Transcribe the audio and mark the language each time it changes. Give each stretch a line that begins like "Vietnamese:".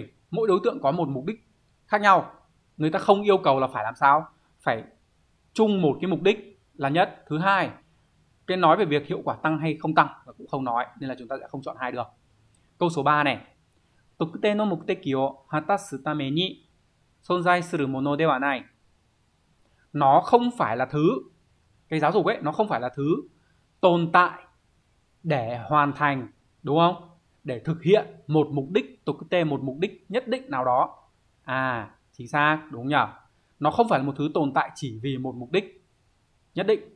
Vietnamese: Mỗi đối tượng có một mục đích khác nhau. Người ta không yêu cầu là phải làm sao? Phải chung một cái mục đích là nhất. Thứ hai, cái nói về việc hiệu quả tăng hay không tăng và cũng không nói, nên là chúng ta sẽ không chọn hai được. Câu số 3 này.
Japanese: 特定の目的を果たすために存在するものではない.
Vietnamese: Nó không phải là thứ, cái giáo dục ấy, nó không phải là thứ tồn tại để hoàn thành, đúng không? Để thực hiện một mục đích, một mục đích nhất định nào đó. À, chính xác, đúng nhỉ? Nó không phải là một thứ tồn tại chỉ vì một mục đích nhất định.